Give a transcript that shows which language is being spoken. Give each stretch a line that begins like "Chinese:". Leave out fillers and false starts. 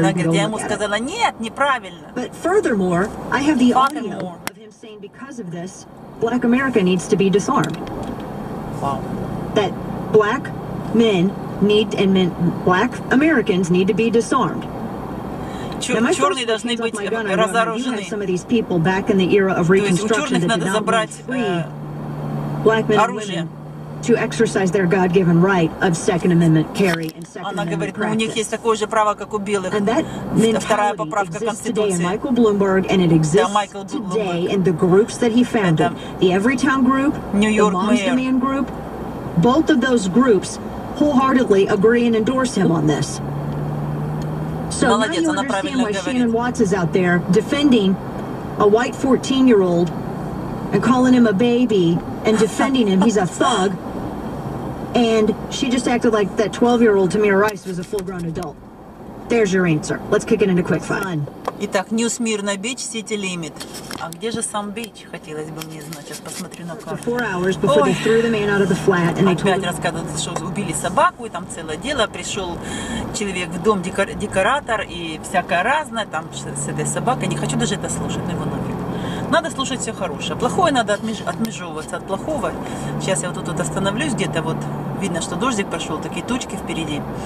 Russian: Она говорит, я ему сказала, нет, неправильно.
English: But furthermore, I have the audio of him saying, because of this, Black America needs to be disarmed. Wow. That black men. Need and meant black Americans need to be disarmed.
Russian: черные должны быть разоружены. То есть у черных надо забрать оружие.
English: To exercise their God-given right of Second Amendment carry and Second Amendment practice.
Russian: Она говорит, у них есть такое же право, как у белых.
English: And that mentality exists today in Michael Bloomberg, and it exists today in the groups that he founded. The Everytown Group, New York, the Moms Demand Group, both of those groups wholeheartedly agree and endorse him on this. So
Russian: молодец,
English: now you understand why Shannon Watts is out there defending a white 14-year-old and calling him a baby and defending him. He's a thug. And she just acted like that 12-year-old Tamir Rice was a full-grown adult. There's your answer. Let's kick it into quick five.
Russian: Итак, Ньюсмир на Beach City Limit. А где же сам бич? Хотелось бы мне знать. Сейчас посмотрю на карту.
English: Four hours before they threw the man out of the flat. And
Russian: опять
English: told...
Russian: рассказывается, что убили собаку, и там целое дело. Пришел человек в дом, декоратор, и всякое разное там с этой собакой. Не хочу даже это слушать, но его нафиг. Надо слушать все хорошее. Плохое надо отмежевываться от плохого. Сейчас я вот тут остановлюсь, где-то вот видно, что дождик пошел, такие тучки впереди.